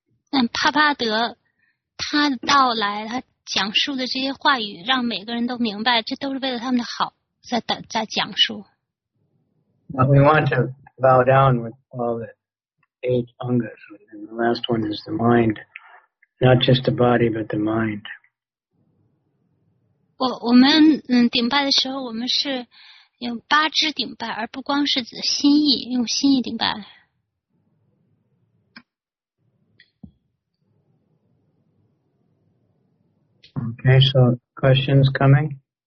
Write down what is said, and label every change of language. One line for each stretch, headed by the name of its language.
Chinese: 但帕帕德他的到来，他讲述的这些话语，让每个人都明白，这都是为了他们的好，在讲述。
English: But we want to bow down with all the eight angas, and the last one is the mind, not just the body, but the mind.
Chinese: 我们顶拜的时候，我们是。用八支顶拜，而不光是指心意，用心意顶拜。
English: Okay, so questions coming?